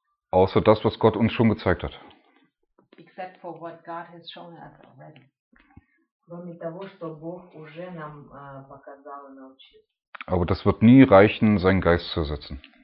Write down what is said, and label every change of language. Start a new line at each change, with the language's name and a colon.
German: Außer das, was Gott uns schon gezeigt hat.
English: Except for what God has shown us already.
Russian: Кроме того, что Бог уже нам показал и научил.
German: Aber das wird nie reichen, seinen Geist zu ersetzen.